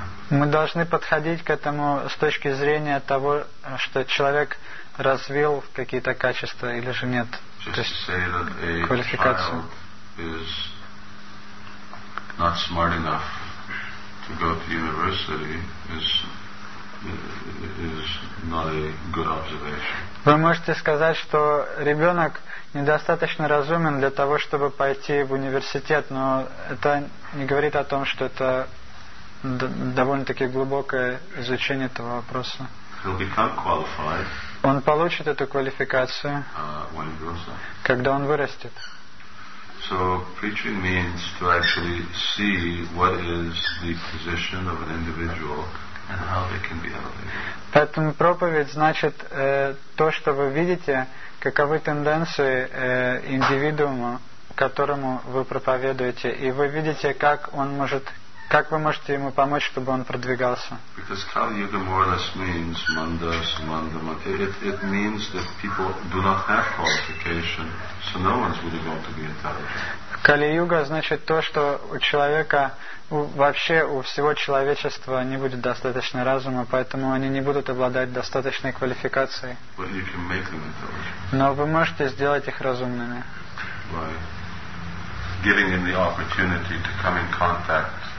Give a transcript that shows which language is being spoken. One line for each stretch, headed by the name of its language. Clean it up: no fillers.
Russian: Мы должны подходить к этому с точки зрения того, что человек развил какие-то качества или же нет. То есть квалификацию.
English: Not smart enough to go to university is not a good observation.
Russian: Вы можете сказать, что ребенок недостаточно разумен для того, чтобы пойти в университет, но это не говорит о том, что это довольно-таки глубокое изучение этого вопроса.
English: He'll become qualified.
Russian: Он получит эту квалификацию,
English: when he grows up.
Russian: Когда он вырастет.
English: So preaching means to actually see what is the position of an individual and how they can be elevated.
Russian: Поэтому проповедь значит то, что вы видите, каковы тенденции индивидуума, которому вы проповедуете, и вы видите, как он может, как вы можете ему помочь, чтобы он продвигался.
English: Because Kali Yuga more or less means manda, sumanda, manda. It means that people do not have qualification, so no one's really going to be intelligent.
Russian: Кали-юга значит то, что у человека, вообще у всего человечества не будет достаточно разума, поэтому они не будут обладать достаточной квалификацией.
English: But you can make them intelligent.
Russian: Но вы можете сделать их разумными.
English: By giving them the opportunity to come in contact.